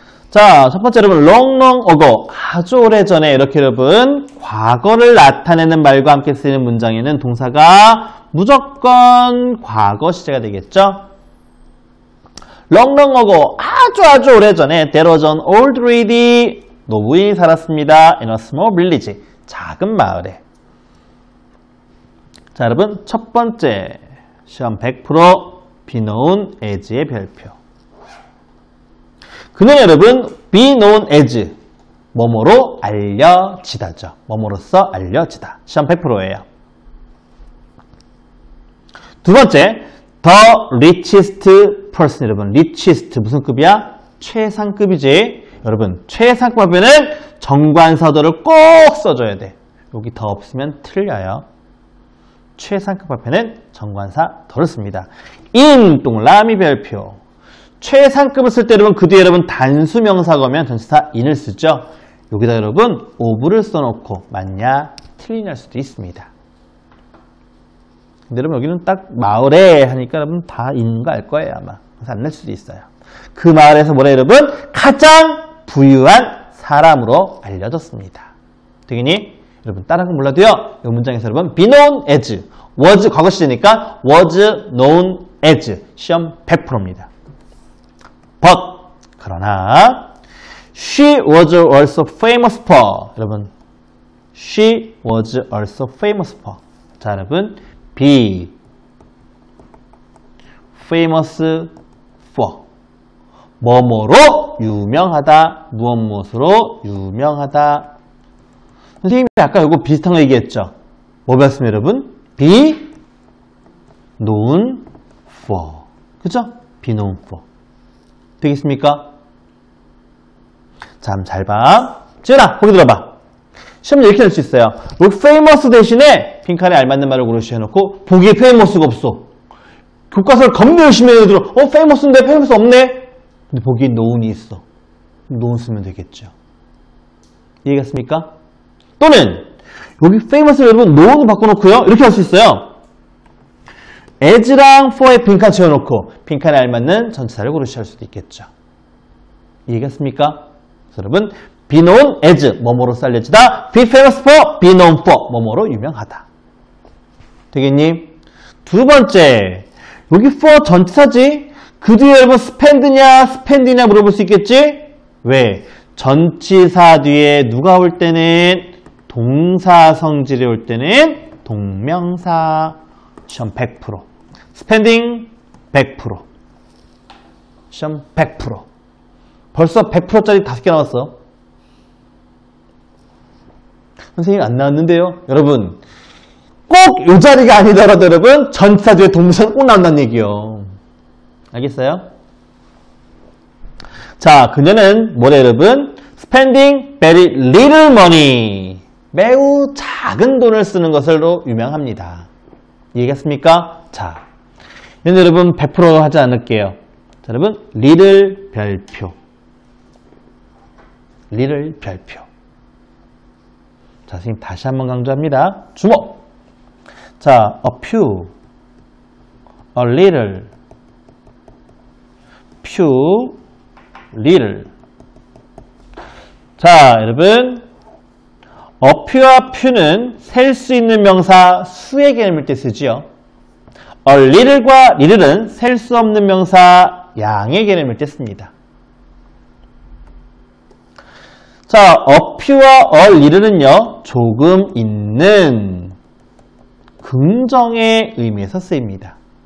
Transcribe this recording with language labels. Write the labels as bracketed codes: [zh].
[ko] 자, 첫 번째 여러분, [en] long, long ago. [ko] 아주 오래 전에 이렇게 여러분, 과거를 나타내는 말과 함께 쓰이는 문장에는 동사가 무조건 과거 시제가 되겠죠? [en] long, long ago. [ko] 아주 아주 오래 전에, [en] there was an old lady. [ko] 노부인이 살았습니다. [en] in a small village. [ko] 작은 마을에. 자, 여러분, 첫 번째. 시험 100%. be known as의 별표. 그는 여러분 be known as 뭐뭐로 알려지다죠. 뭐뭐로서 알려지다. 시험 100%예요. 두 번째, [en] the richest person. [ko] 여러분 richest 무슨 급이야? 최상급이지. 여러분 최상급 하면은 정관사도를 꼭 써줘야 돼. 여기 더 없으면 틀려요. 최상급 앞에는 정관사도를 씁니다. in 동그라미 별표. 최상급을 쓸 때 여러분 그 뒤에 여러분 단수명사가 오면 전체사 in을 쓰죠. 여기다 여러분 of를 써놓고 맞냐 틀리냐 할 수도 있습니다. 근데 여러분 여기는 딱 마을에 하니까 여러분 다 in인 거 알 거예요 아마. 그래서 안 낼 수도 있어요. 그 마을에서 뭐래 여러분? 가장 부유한 사람으로 알려졌습니다. 되겠니? 여러분 다른 건 몰라도요. 이 문장에서 여러분 be known as was 과거 시제니까 was known as 시험 100%입니다. [en] But, 그러나, she was also famous for, 여러분, she was also famous for, 자, 여러분, be famous for, [ko] 뭐뭐로 유명하다, 무엇무엇으로 유명하다. 선생님이 아까 이거 비슷한 거 얘기했죠? 뭐 배웠습니다, 여러분? [en] be known for. 그죠? be known for. 되겠습니까? [ko] 자, 한번 잘 봐. 지은아, 거기 들어봐. 시험 이렇게 될 수 있어요. look famous 대신에 빈칸에 알맞는 말을 고르시 해놓고 보기에 famous가 없어. 교과서를 겁나 열심히 해야 들어. famous인데 famous 없네. 근데 보기에 known이 있어. known 쓰면 되겠죠. 이해했습니까? 또는 여기 famous를 여러분 known으로 바꿔놓고요. 이렇게 할 수 있어요. as랑 for에 빈칸 채워놓고 빈칸에 알맞는 전체사를 고르실 수도 있겠죠. 이해했습니까? [en] 여러분, be known as, [ko] 뭐뭐로 쌀려지다, [en] be famous for, be known for, 뭐뭐로 유명하다. [ko] 되겠니? 두 번째, 여기 for 전체사지? 그 뒤에 여러분, spend냐, spend냐 물어볼 수 있겠지? 왜? 전치사 뒤에 누가 올 때는? 동사 성질이 올 때는? 동명사. 시험 100%. spending 100%. 시험 100%. 벌써 100%짜리 5개 나왔어. 선생님 안 나왔는데요. 여러분 꼭 이 자리가 아니더라도 여러분 전치사 뒤에 동사는 꼭 나온다는 얘기요. 알겠어요? 자, 그녀는 뭐래 여러분? [en] spending very little money. [ko] 매우 작은 돈을 쓰는 것으로 유명합니다. 이해했습니까? 자, 이건 여러분 100% 하지 않을게요. 자, 여러분 little 별표, little 별표. 자, 선생님 다시 한번 강조합니다. 주목. [en] 자, a few, a little, few, little. [ko] 자, 여러분. 어퓨와 퓨는 셀 수 있는 명사 수의 개념일 때 쓰지요. 얼리를과 리를은 셀 수 없는 명사 양의 개념일 때 씁니다. 자, 어퓨와 얼리를은요, 조금 있는 긍정의 의미에서 쓰입니다.